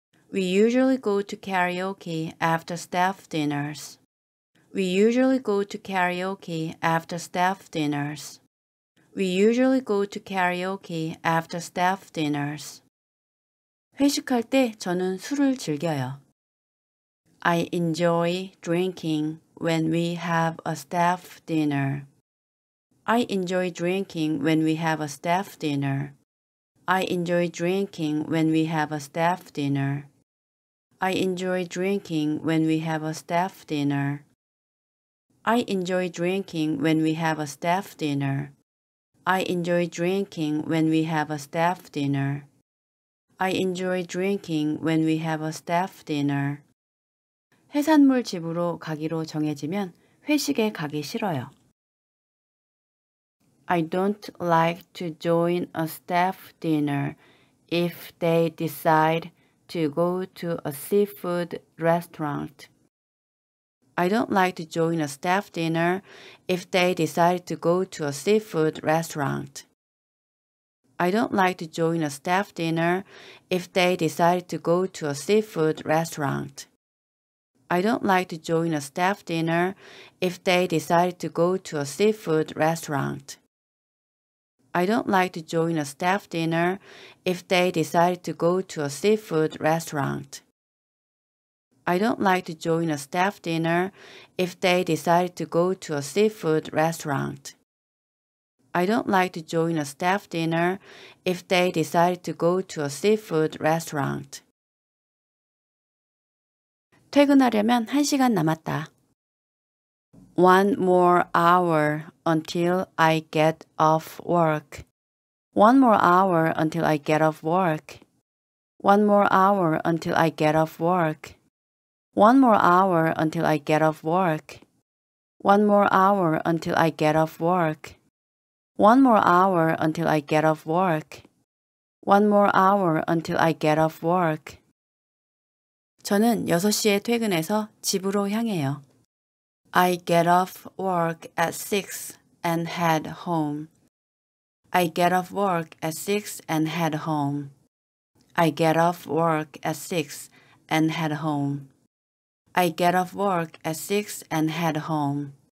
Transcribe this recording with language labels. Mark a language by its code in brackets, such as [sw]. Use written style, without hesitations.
[en] We usually go to karaoke after staff dinners. We usually go to karaoke after staff dinners. We usually go to karaoke after staff dinners. [ko] 회식할 때 저는 술을 즐겨요. [en] I enjoy drinking when we have a staff dinner. I enjoy drinking when we have a staff dinner. I enjoy drinking when we have a staff dinner. I enjoy drinking when we have a staff dinner. I enjoy drinking when we have a staff dinner. I enjoy drinking when we have a staff dinner. I enjoy drinking when we have a staff dinner. [ko] 해산물 집으로 가기로 정해지면 회식에 가기 싫어요. [en] I don't like to join a staff dinner if they decide to go to a seafood restaurant. I don't like to join a staff dinner if they decide to go to a seafood restaurant. I don't like to join a staff dinner if they decide to go to a seafood restaurant. I don't like to join a staff dinner if they decide to go to a seafood restaurant. I don't like to join a staff dinner if they decide to go to a seafood restaurant. I don't like to join a staff dinner if they decide to go to a seafood restaurant. I don't like to join a staff dinner if they decide to go to a seafood restaurant. [ko] 퇴근하려면 한 시간 남았다. [en] One more hour until I get off work. One more hour until I get off work. One more hour until I get off work. One more hour until I get off work. One more hour until I get off work. One more hour until I get off work. One more hour until I get off work. [ko] 저는 6시에 퇴근해서 집으로 향해요. [en] I get off work at 6 and head home. I get off work at 6 and head home. I get off work at 6 and head home. I get off work at 6 and head home.